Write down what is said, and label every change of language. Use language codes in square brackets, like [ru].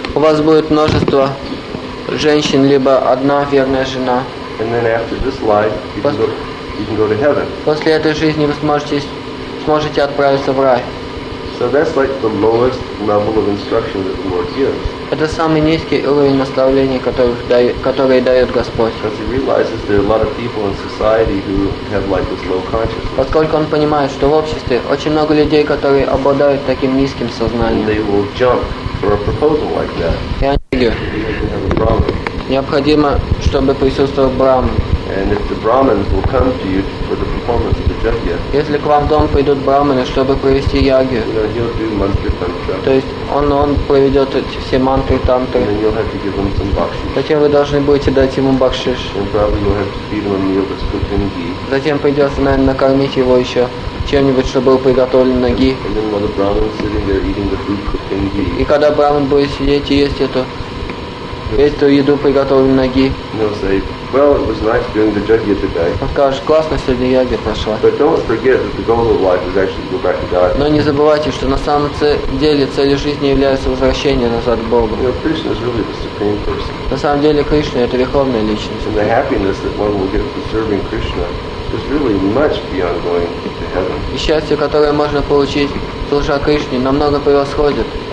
[ru] У вас будет множество женщин, либо одна верная жена. [en] And then after this life, you can go to heaven. [ru] После этой жизни вы сможете отправиться в рай. [en] So that's like the lowest level of instruction that the Lord gives. [ru] Это самый низкий уровень наставления, который дает Господь. [en] Because he realizes there are a lot of people in society who have like this low consciousness. [ru] Поскольку он понимает, что в обществе очень много людей, которые обладают таким низким сознанием. [en] And they will jump for a proposal like that. [ru] И они говорят, необходимо, чтобы присутствовал Брахман. [en] And if the Brahmins will come to you for the performance of the Jagya, [ru] если к вам в дом придут Брахманы, чтобы провести Ягью, [en] you know, he'll do mantra tantra. [ru] То есть он проведет эти все мантры, тантры. [en] And then you'll have to give him some bakshish. [ru] Затем вы должны будете дать ему бакшиш. [en] And probably you'll have to feed him a meal that's cooked in ghee. [ru] Затем придется, наверное, накормить его еще чем-нибудь, чтобы было приготовлено ги. [en] And then while the Brahmin is sitting there eating the food cooked in ghee. [ru] И когда Брахман будет сидеть и есть это, есть то еду приготовлю ноги. [en] He'll say, well, it was nice doing the jagya today. [ru] Он скажет, классно сегодня ягья прошла. [en] But don't forget that the goal of life is actually to go back to God. [ru] Но не забывайте, что на самом деле целью жизни является возвращение назад к Богу. [en] You know, Krishna is really the supreme person. [ru] На самом деле Кришна это верховная личность. [en] And the happiness that one will get from serving Krishna is really much beyond going to heaven. [ru] И счастье, которое можно получить, служа Кришне, намного превосходит.